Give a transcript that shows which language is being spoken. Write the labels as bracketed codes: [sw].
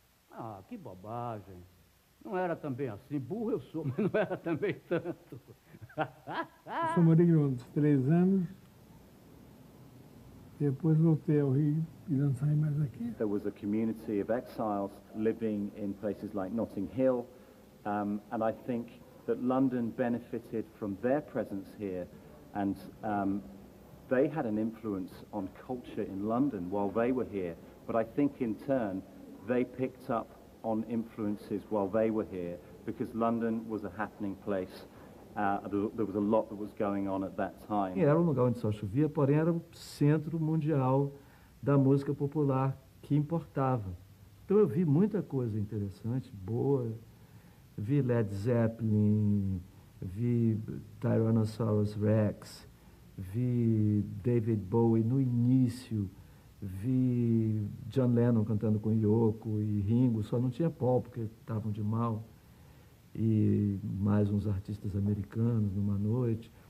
[pt] Ah, que bobagem. Não era também assim. Burro eu sou, mas não era também tanto. Eu sou marinho uns 3 anos. Depois voltei ao Rio e não saí mais daqui. [en] There was a community of exiles living in places like Notting Hill. And I think that London benefited from their presence here, and they had an influence on culture in London while they were here. But I think in turn, they picked up on influences while they were here, because London was a happening place. There was a lot that was going on at that time. [pt] Era um lugar onde só chovia, porém era o centro mundial da música popular que importava. Então eu vi muita coisa interessante, boa. Vi Led Zeppelin, vi Tyrannosaurus Rex, vi David Bowie no início, vi John Lennon cantando com Yoko e Ringo, só não tinha Paul porque estavam de mal, e mais uns artistas americanos numa noite.